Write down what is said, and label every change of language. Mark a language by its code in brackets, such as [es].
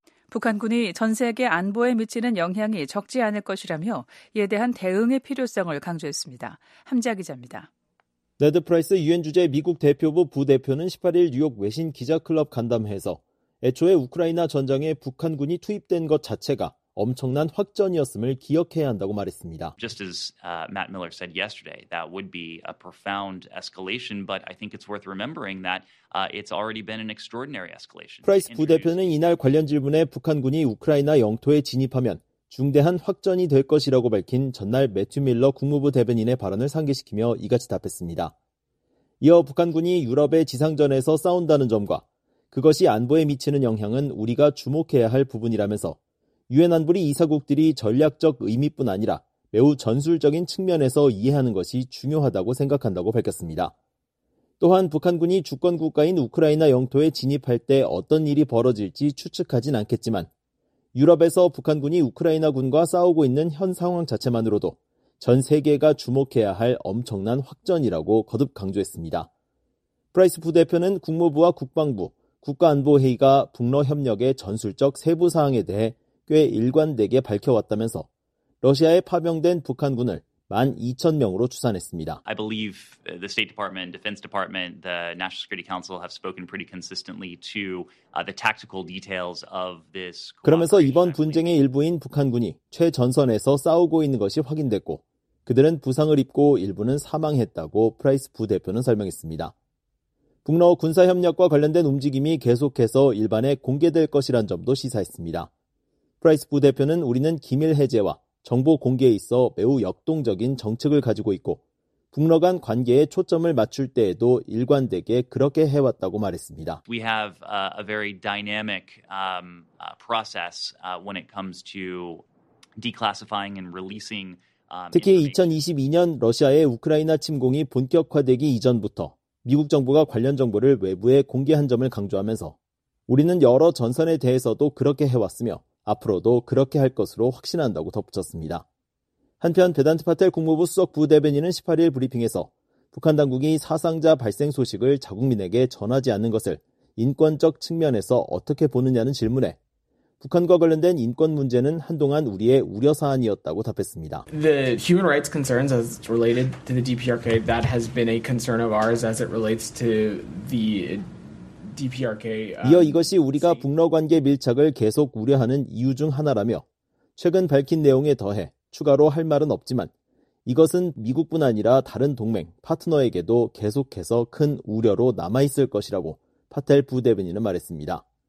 [ko] 북한군이 전 세계 안보에 미치는 영향이 적지 않을 것이라며 이에 대한 대응의 필요성을 강조했습니다. 함지아 기자입니다. 네드 프라이스 유엔 주재 미국 대표부 부대표는 18일 뉴욕 외신 기자클럽 간담회에서 애초에 우크라이나 전장에 북한군이 투입된 것 자체가 엄청난 확전이었음을 기억해야 한다고 말했습니다. [en] Just as Matt Miller said yesterday, that would be a profound escalation, but I think it's worth remembering that it's already been an extraordinary escalation. [ko] 프라이스 부대표는 이날 관련 질문에 북한군이 우크라이나 영토에 진입하면 중대한 확전이 될 것이라고 밝힌 전날 매튜 밀러 국무부 대변인의 발언을 상기시키며 이같이 답했습니다. 이어 북한군이 유럽의 지상전에서 싸운다는 점과 그것이 안보에 미치는 영향은 우리가 주목해야 할 부분이라면서 유엔 안보리 이사국들이 전략적 의미뿐 아니라 매우 전술적인 측면에서 이해하는 것이 중요하다고 생각한다고 밝혔습니다. 또한 북한군이 주권 국가인 우크라이나 영토에 진입할 때 어떤 일이 벌어질지 추측하진 않겠지만 유럽에서 북한군이 우크라이나 군과 싸우고 있는 현 상황 자체만으로도 전 세계가 주목해야 할 엄청난 확전이라고 거듭 강조했습니다. 프라이스 부대표는 국무부와 국방부, 국가안보회의가 북러협력의 전술적 세부 사항에 대해 꽤 일관되게 밝혀왔다면서 러시아에 파병된 북한군을 12,000명으로 추산했습니다. [en] I believe the State Department, Defense Department, the National Security Council have spoken pretty consistently to the tactical details of this. [ko] 그러면서 이번 분쟁의 일부인 북한군이 최전선에서 싸우고 있는 것이 확인됐고 그들은 부상을 입고 일부는 사망했다고 프라이스 부대표는 설명했습니다. 북러 군사협력과 관련된 움직임이 계속해서 일반에 공개될 것이란 점도 시사했습니다. 프라이스 부대표는 우리는 기밀 해제와 정보 공개에 있어 매우 역동적인 정책을 가지고 있고 북러 간 관계에 초점을 맞출 때에도 일관되게 그렇게 해왔다고 말했습니다. [en] We have a very dynamic process when it comes to declassifying and releasing. [ko] 특히 2022년 러시아의 우크라이나 침공이 본격화되기 이전부터 미국 정부가 관련 정보를 외부에 공개한 점을 강조하면서 우리는 여러 전선에 대해서도 그렇게 해왔으며 앞으로도 그렇게 할 것으로 확신한다고 덧붙였습니다. 한편 베단트 파텔 국무부 수석 부대변인은 18일 브리핑에서 북한 당국이 사상자 발생 소식을 자국민에게 전하지 않는 것을 인권적 측면에서 어떻게 보느냐는 질문에 북한과 관련된 인권 문제는 한동안 우리의 우려 사안이었다고 답했습니다. [en] The human rights concerns as related to the DPRK that has been a concern of ours as it relates to the DPRK. [ko] 이어 이것이 우리가 북러 관계 밀착을 계속 우려하는 이유 중 하나라며 최근 밝힌 내용에 더해 추가로 할 말은 없지만 이것은 미국뿐 아니라 다른 동맹, 파트너에게도 계속해서 큰 우려로 남아 있을 것이라고 파텔 부대변인은 말했습니다.